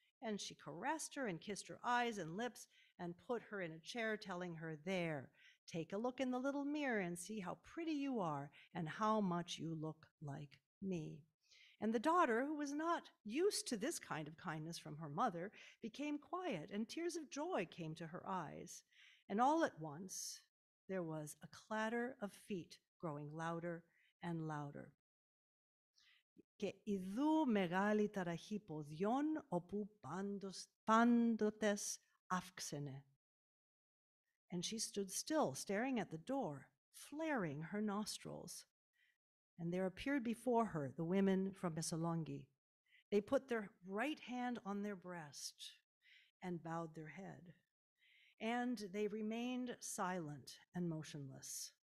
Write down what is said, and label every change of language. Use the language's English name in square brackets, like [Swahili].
[English] And she caressed her and kissed her eyes and lips and put her in a chair, telling her, "There, take a look in the little mirror and see how pretty you are and how much you look like me." And the daughter, who was not used to this kind of kindness from her mother, became quiet and tears of joy came to her eyes. And all at once, there was a clatter of feet growing louder and louder. [Greek] Και ειδού μεγάλη ταραχή ποδιών όπου πάντοτες αύξενε. [English] And she stood still, staring at the door, flaring her nostrils. And there appeared before her the women from Messolonghi. They put their right hand on their breast and bowed their head. And they remained silent and motionless.